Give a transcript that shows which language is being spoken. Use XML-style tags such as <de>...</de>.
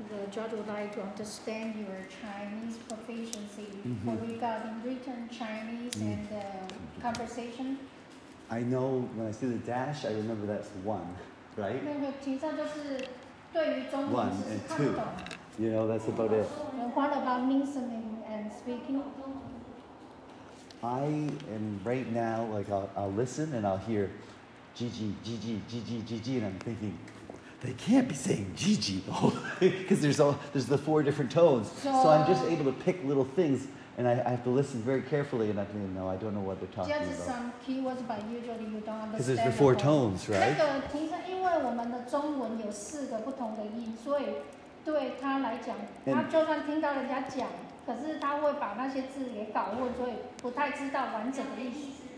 <en>Judge would like to understand your Chinese proficiency regarding written Chinese and conversation. I know when I see the dash, I remember that's one, right?</en> <zh>那个题上就是对于中文是看不懂。</zh> <en>You know, that's about it. What about listening and speaking? I am right now, like I'll listen and I'll hear GG, GG, GG, GG, and I'm thinking,they can't be saying Gigi, though, because there's the four different tones. So I'm just able to pick little things, and I have to listen very carefully, and I don't even know, I don't know what they're talking about. Just some keywords, but usually you don't understand. Because there's the four tones, right?</en> <zh>那个听声，因为我们的中文有四个不同的音，所以对他来讲，他就算听到人家讲，可是他会把那些字也搞混，所以不太知道完整的意思。</zh>